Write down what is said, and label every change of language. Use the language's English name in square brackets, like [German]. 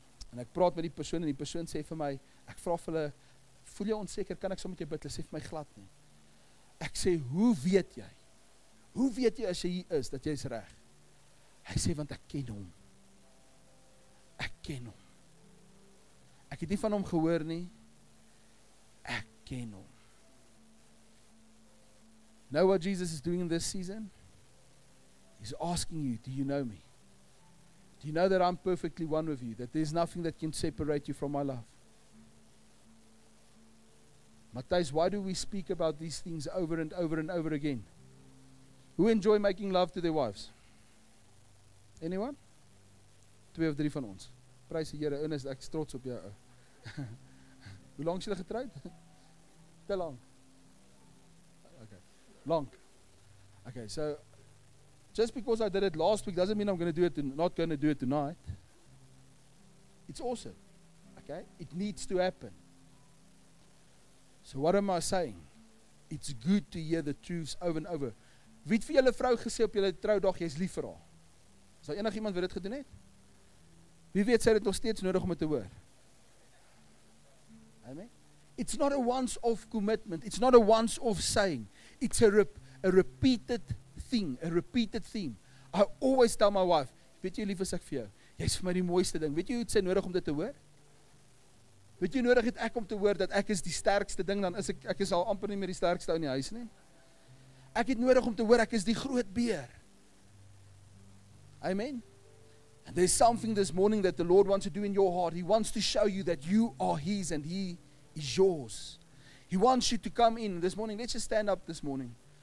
[Afrikaans] En ek praat met die persoon sê vir my, ek vraag vir hulle, voel jy onseker, kan ek so met jou bid? Hulle sê vir my glad nie. Ek sê, hoe weet jy? Hoe weet jy as jy hier is, dat jy is reg? Hy sê, want ek ken hom. Ek ken hom. Ek het nie van hom gehoor nie. Ek ken hom. [English] Know what Jesus is doing in this season? He's asking you, do you know me? You know that I'm perfectly one with you, that there's nothing that can separate you from my love. Matthijs, why do we speak about these things over and over and over again? Who enjoy making love to their wives? Anyone? 2 of 3 [Afrikaans] van ons. Prys die Here, Ernest, ek is trots op jou. Hoe lang is jy getroud? Te lang. Okay. Lang. [English] Okay, so just because I did it last week doesn't mean I'm going to do it tonight. It's awesome. Okay? It needs to happen. So what am I saying? It's good to hear the truths over and over. [Afrikaans] Wie het vir julle vrou gesê op julle troudag jy's lief vir haar? Is daar enigiemand wat dit gedoen het? Wie weet sy het nog steeds nodig om dit te hoor? [English] Amen. It's not a once off commitment. It's not a once off saying. It's a repeated thing. I always tell my wife, [Afrikaans] weet jy lief is ek vir jou. Jy's vir my die mooiste ding. Weet jy hoe sy nodig om dit te hoor? Weet jy nodig het ek om te hoor dat ek is die sterkste ding, dan is ek is al amper nie meer die sterkste in die huis nie. Ek het nodig om te hoor ek is die groot beer. Amen. [English] And there's something this morning that the Lord wants to do in your heart. He wants to show you that you are His and He is yours. He wants you to come in this morning. Let's just stand up this morning.